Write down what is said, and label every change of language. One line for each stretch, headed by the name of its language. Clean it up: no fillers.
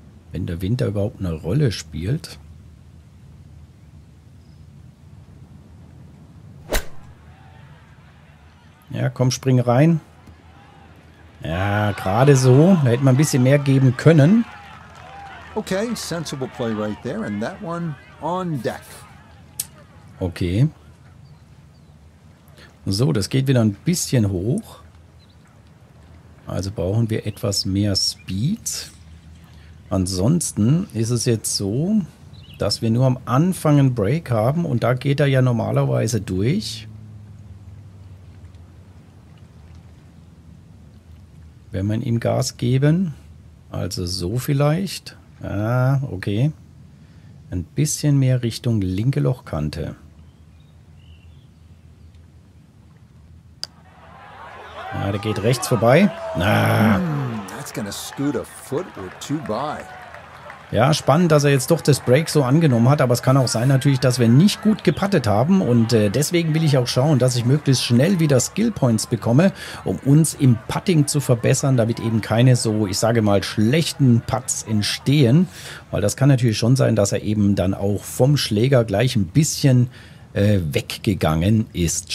German: Wenn der Wind da überhaupt eine Rolle spielt. Ja, komm, spring rein. Ja, gerade so. Da hätte man ein bisschen mehr geben können.
English: Okay, sensible play right there, and that one on deck. Okay.
German: So, das geht wieder ein bisschen hoch. Also brauchen wir etwas mehr Speed. Ansonsten ist es jetzt so, dass wir nur am Anfang einen Break haben und da geht er ja normalerweise durch. Wenn wir ihm Gas geben, also so vielleicht. Ah, okay. Ein bisschen mehr Richtung linke Lochkante. Ah, der geht rechts vorbei. Ah.
English: That's gonna scoot a foot or two by.
German: Ja, spannend, dass er jetzt doch das Break so angenommen hat, aber es kann auch sein natürlich, dass wir nicht gut geputtet haben und deswegen will ich auch schauen, dass ich möglichst schnell wieder Skill Points bekomme, um uns im Putting zu verbessern, damit eben keine so, ich sage mal, schlechten Putts entstehen, weil das kann natürlich schon sein, dass er eben dann auch vom Schläger gleich ein bisschen weggegangen ist.